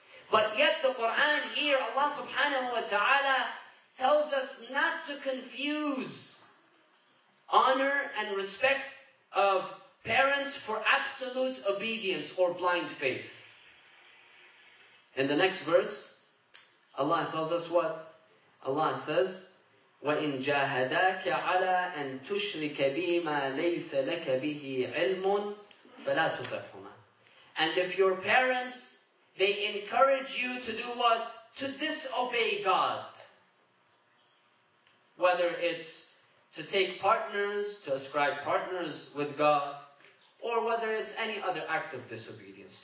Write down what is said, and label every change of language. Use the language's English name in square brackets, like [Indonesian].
[English] But yet the Quran here, Allah subhanahu wa ta'ala tells us not to confuse honor and respect of parents for absolute obedience or blind faith. In the next verse, Allah tells us what? Allah says, [Arabic] وَإِنْ جَاهَدَاكَ عَلَىٰ أَنْ تُشْرِكَ بِي مَا لَيْسَ لَكَ بِهِ عِلْمٌ فَلَا تُفَحْهُمَا. [English] And if your parents, they encourage you to do what? To disobey God. Whether it's to take partners, to ascribe partners with God, or whether it's any other act of disobedience.